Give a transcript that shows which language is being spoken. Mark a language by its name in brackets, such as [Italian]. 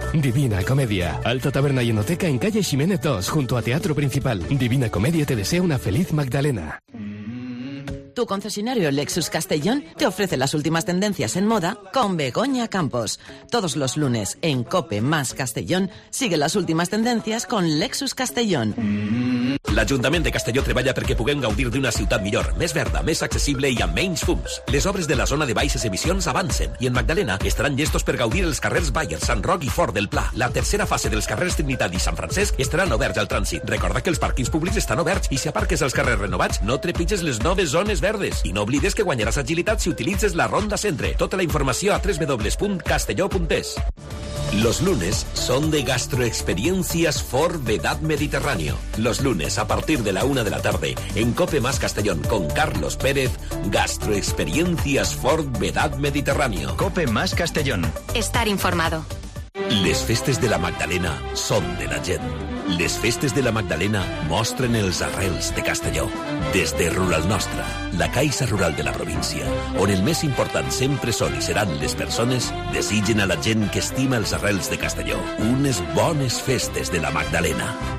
[Spanish] Divina Comedia, Alta Taberna y Enoteca en calle Ximénez 2, junto a Teatro Principal. Divina Comedia te desea una feliz Magdalena. Tu concesionario Lexus Castellón te ofrece las últimas tendencias en moda con Begoña Campos. Todos los lunes en COPE más Castellón sigue las últimas tendencias con Lexus Castellón. [Catalan] L'Ajuntament de Castelló treballa perquè puguem gaudir d'una ciutat millor, més verda, més accessible i amb menys fums. Les obres de la zona de baixes emissions avancen i en Magdalena estaran llestos per gaudir els carrers Bayer, Sant Roc i Fort del Pla. La tercera fase dels carrers Trinitat i Sant Francesc estaran oberts al trànsit. Recorda que els pàrquings públics estan oberts i si aparques als carrers renovats, no trepitges les noves zones verdes. I no oblides que guanyaràs agilitat si utilitzes la Ronda Centre. Tota la informació a www.castelló.es. [Spanish] Los lunes son de gastroexperiencias for Vedat Mediterráneo. Los lunes, a partir de la una de la tarde, en COPE más Castellón con Carlos Pérez, gastroexperiencias for Vedat Mediterráneo. COPE más Castellón. Estar informado. [Catalan] Les festes de la Magdalena són de la gent. Les festes de la Magdalena mostren els arrels de Castelló. Des de Rural Nostra, la caixa rural de la província, on el més important sempre són i seran les persones, desitgen a la gent que estima els arrels de Castelló unes bones festes de la Magdalena.